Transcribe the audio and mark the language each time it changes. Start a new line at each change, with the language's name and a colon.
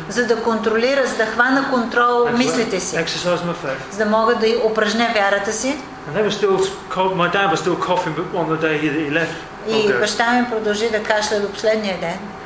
Bulgarian: За да контролира, за да хвана контрол мислите си.
English: Exercise my faith.
Bulgarian: За да мога да упражня вярата си.
English: And they were still, my dad was still coughing, but on the day he left.
Bulgarian: И баща ми продължи да кашля до последния ден.